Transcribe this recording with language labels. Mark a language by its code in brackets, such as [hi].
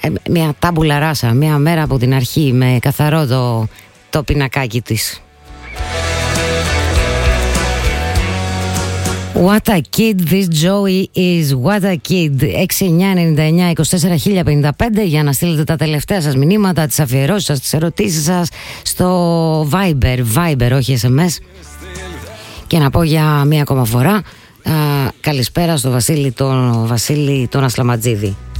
[el] μια τάμπουλα ράσα, μια μέρα από την αρχή με καθαρό το πινακάκι της. [en] What a kid this Joey is, what a kid. [el] 6999-24-1055 για να στείλετε τα τελευταία σας μηνύματα, τις αφιερώσεις σας, τις ερωτήσεις σας στο Viber, όχι SMS. Και να πω για μία ακόμα φορά καλησπέρα στο Βασίλη τον Ασλαματζίδη.